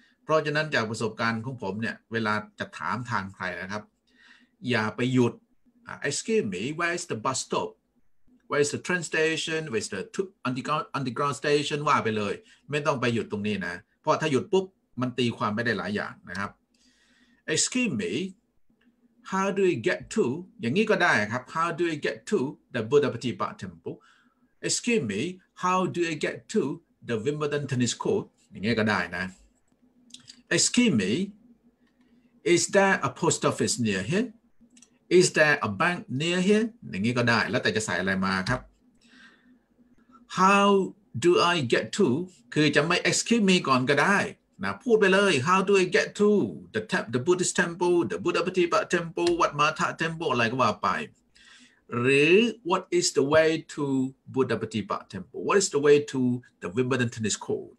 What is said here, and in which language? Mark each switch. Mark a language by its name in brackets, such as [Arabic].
[Thai] พราะฉะนั้นจากประสบการณ์ของผมเนี่ยเวลาจะถามทางใครนะครับอย่าไปหยุด [English] excuse me where is the bus stop where is the train station where is the underground station [Thai] ว่าไปเลยไม่ต้องไปหยุดตรงนี้นะเพราะถ้าหยุดปุ๊บมันตีความไม่ได้หลายอย่างนะครับ [English] excuse meHow do you get to [Thai] อย่างนี้ก็ได้ครับ [English] How do you get to the Buddha Patipa Temple? Excuse me, how do you get to the Wimbledon Tennis Court? [Thai] อย่างนี้ก็ได้นะ [English] Excuse me, is there a post office near here? Is there a bank near here? [Thai] อย่างนี้ก็ได้แล้วแต่จะใส่อะไรมาครับ [English] How do I get to [Thai] คือจะไม่ excuse me ก่อนก็ได้นะพูดไปเลย [English] How do I get to the Buddhist temple, the Buddha Patipa temple, Wat Mata temple [Thai] อะไรก็ว่าไปหรือ [English] What is the way to Buddha Patipa temple? What is the way to the Wimbledon tennis court?